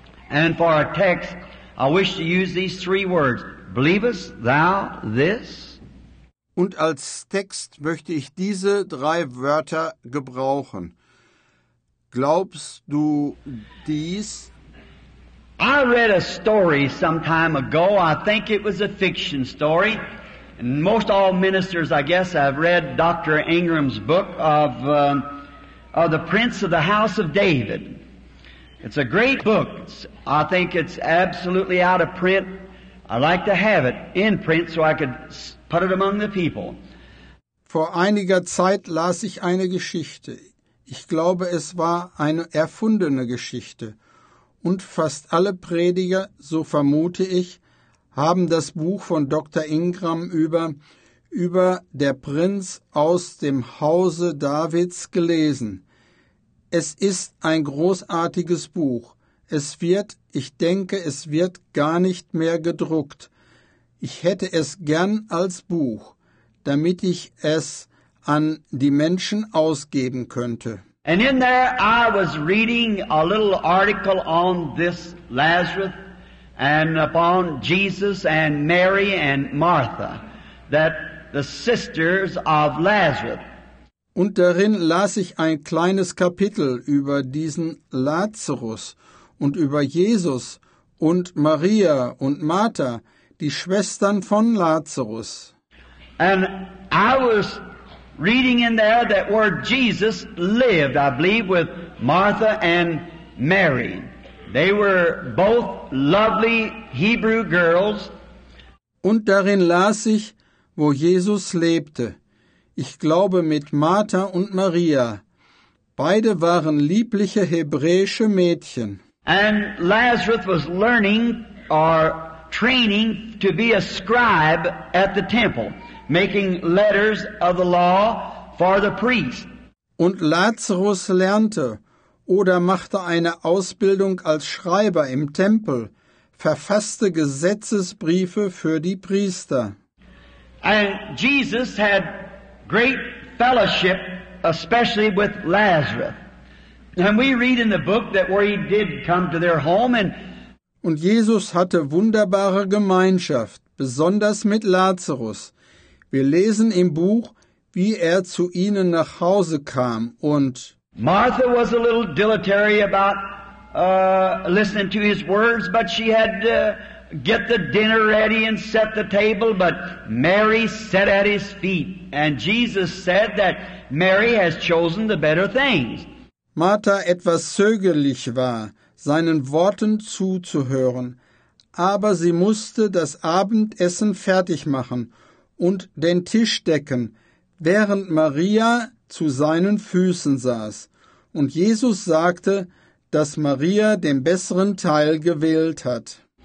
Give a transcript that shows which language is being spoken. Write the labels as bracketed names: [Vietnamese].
[English] And for our text, I wish to use these three words. Believest thou this? [German] Und als Text möchte ich diese drei Wörter gebrauchen. Glaubst du dies? [English] I read a story some time ago. I think it was a fiction story. And most all ministers, I guess, have read Dr. Ingram's book of The Prince of the House of David. It's a great book. I think it's absolutely out of print. I'd like to have it in print so I could put it among the people. [German] Vor einiger Zeit las ich eine Geschichte. Ich glaube, es war eine erfundene Geschichte. Und fast alle Prediger, so vermute ich, haben das Buch von Dr. Ingram über der Prinz aus dem Hause Davids gelesen. Es ist ein großartiges Buch. Ich denke, es wird gar nicht mehr gedruckt. Ich hätte es gern als Buch, damit ich es an die Menschen ausgeben könnte. [English] And in there I was reading a little article on this Lazarus and upon Jesus and Mary and Martha, that the sisters of Lazarus. [German] Und darin las ich ein kleines Kapitel über diesen Lazarus und über Jesus und Maria und Martha, die Schwestern von Lazarus. [English] And I was reading in there that where Jesus lived, I believe, with Martha and Mary. They were both lovely Hebrew girls. [German] Und darin las ich, wo Jesus lebte. Ich glaube, mit Martha und Maria. Beide waren liebliche hebräische Mädchen. [English] And Lazarus was learning or training to be a scribe at the temple, making letters of the law for the priest. [German] Und Lazarus lernte oder machte eine Ausbildung als Schreiber im Tempel, verfasste Gesetzesbriefe für die Priester. [English] And Jesus had great fellowship, especially with Lazarus. And we read in the book that where he did come to their home and... [German] Und Jesus hatte wunderbare Gemeinschaft, besonders mit Lazarus. Wir lesen im Buch, wie er zu ihnen nach Hause kam und... [English] Martha was a little dilatory about listening to his words, but she had to get the dinner ready and set the table, but Mary sat at his feet. And Jesus said that Mary has chosen the better things. [German] Martha etwas zögerlich war, seinen Worten zuzuhören, aber sie musste das Abendessen fertig machen und den Tisch decken, während Maria zu seinen Füßen saß. Und Jesus sagte, dass Maria den besseren Teil gewählt hat.